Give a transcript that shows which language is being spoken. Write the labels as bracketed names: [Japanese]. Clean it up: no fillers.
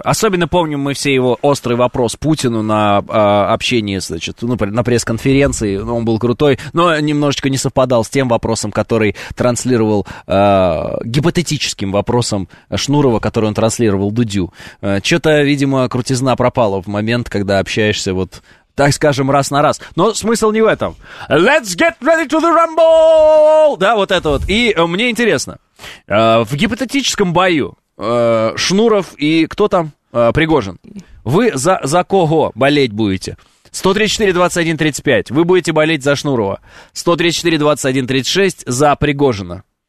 [Russian] Особенно помним мы все его острый вопрос Путину на общении, значит, ну, на пресс-конференции. Ну, он был крутой, но немножечко не совпадал с тем вопросом, который транслировал, гипотетическим вопросом Шнурова, который он транслировал Дудю. Что-то, видимо, крутизна пропала в момент, когда общаешься вот... Так скажем, раз на раз. Но смысл не в этом. [English] Let's get ready to the rumble! [Russian] Да, вот это вот. И мне интересно, в гипотетическом бою Шнуров и кто там? Пригожин. Вы за кого болеть будете? 134-21-35. Вы будете болеть за Шнурова. 134-21-36 за Пригожина.